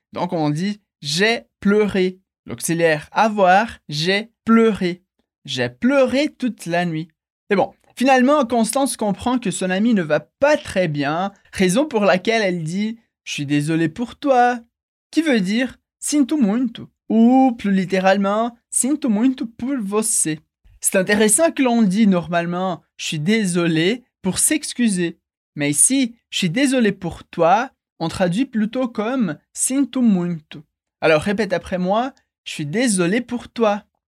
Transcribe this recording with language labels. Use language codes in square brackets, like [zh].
[fr] Donc on dit j'ai pleuré. L'auxiliaire avoir, j'ai pleuré. J'ai pleuré toute la nuit. Et bon, finalement, Constance comprend que son amie ne va pas très bien. Raison pour laquelle elle dit je suis désolée pour toi. Qui veut dire [pt] sinto muito. [fr] Ou, plus littéralement, [pt] sinto muito por você. [fr] C'est intéressant que l'on dit normalement « je suis désolé » pour s'excuser. Mais ici, « je suis désolé pour toi », on traduit plutôt comme « [pt] sinto muito ». [fr] Alors répète après moi « je suis désolé pour toi ».